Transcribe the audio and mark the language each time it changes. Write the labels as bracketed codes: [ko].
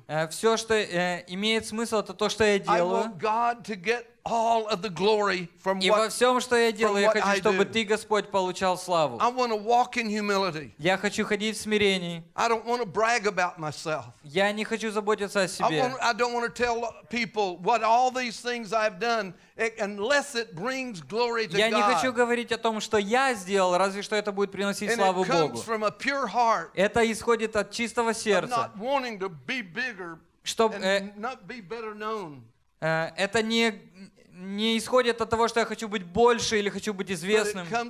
[ru] Все, что имеет смысл, это то, что я делаю. [en] All of the glory from what I do. [ru] И во всем, что я делаю, я хочу, чтобы ты, Господь, получал славу. [en] I want to walk in humility. [ru] Я хочу ходить в смирении. [en] I don't want to brag about myself. [ru] Я не хочу заботиться о себе. [en] I don't want to tell people what all these things I've done unless it brings glory to God. [ru] Я не хочу говорить о том, что я сделал, разве что это будет приносить славу Богу. [en] And it comes from a pure heart. [ru] Это исходит от чистого сердца. [en] Not wanting to be bigger and not be better known. [ru] Это не исходит от того, что я хочу быть больше или хочу быть известным.